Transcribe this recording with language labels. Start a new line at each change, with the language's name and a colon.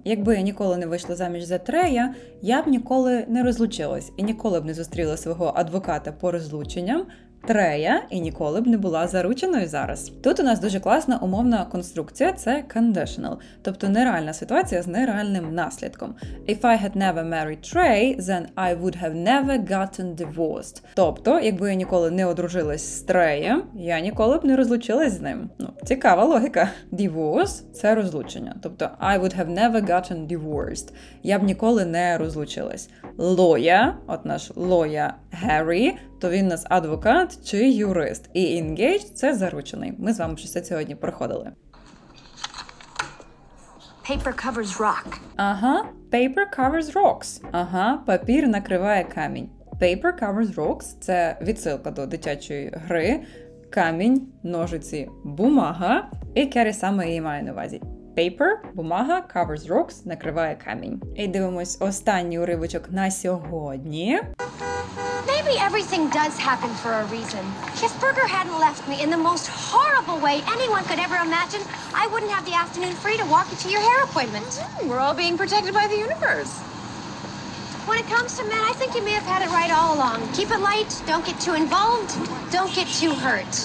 Ukrainian: Якби я ніколи не вийшла заміж за Трея, я б ніколи не розлучилась і ніколи б не зустріла свого адвоката по розлученням Трея і ніколи б не була зарученою зараз. Тут у нас дуже класна умовна конструкція – це conditional, тобто нереальна ситуація з нереальним наслідком.
English: If I had never married Trey, then I would have never gotten divorced.
Ukrainian: Тобто, якби я ніколи не одружилась з Треєм, я ніколи б не розлучилась з ним. Ну, цікава логіка. Divorce – це розлучення. Тобто,
English: I would have never gotten divorced.
Ukrainian: Я б ніколи не розлучилась. Lawyer, от наш lawyer Harry – то він у нас адвокат чи юрист. І engage – це заручений. Ми з вами вже все сьогодні проходили.
English: Paper covers rock. Ага, paper covers rocks.
Ukrainian: Ага, папір накриває камінь.
English: Paper covers rocks
Ukrainian: – це відсилка до дитячої гри. Камінь, ножиці, бумага. І Керрі саме її має на увазі. Paper, бумага, covers rocks, накриває камінь. І дивимось останній уривочок на сьогодні.
English: Maybe everything does happen for a reason. If Burger hadn't left me in the most horrible way anyone could ever imagine, I wouldn't have the afternoon free to walk you to your hair appointment. Mm-hmm. We're all being protected by the universe. When it comes to men, I think you may have had it right all along. Keep it light, don't get too involved, don't get too hurt.